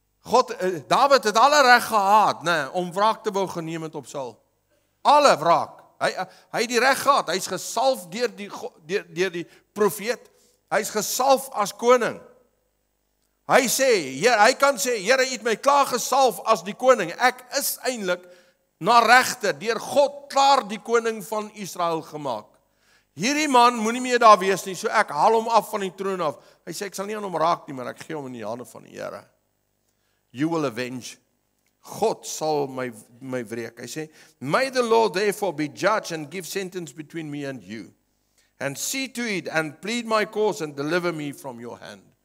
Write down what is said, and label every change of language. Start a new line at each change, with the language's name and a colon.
Afrikaans: God, Dawid het alle reg gehad, om wraak te wou geneem het op Saul. Alle wraak. Hy het die reg gehad. Hy is gesalf deur die profeet. Hy is gesalf as koning. Hy sê, hy kan sê, Here, het my klaar gesalf as die koning. Ek is eindelijk na regte, deur God klaar die koning van Israel gemaak. Hierdie man moet nie meer daar wees nie, so ek haal hom af van die troon af. Hy sê, ek sal nie aan hom raak nie, maar ek gee hom in die hande van die Here.
English: You will avenge.
Afrikaans: God sal my wreek. Hy sê,
English: may the Lord therefore be judge and give sentence between me and you. And see to it and plead my cause and deliver me from your hand.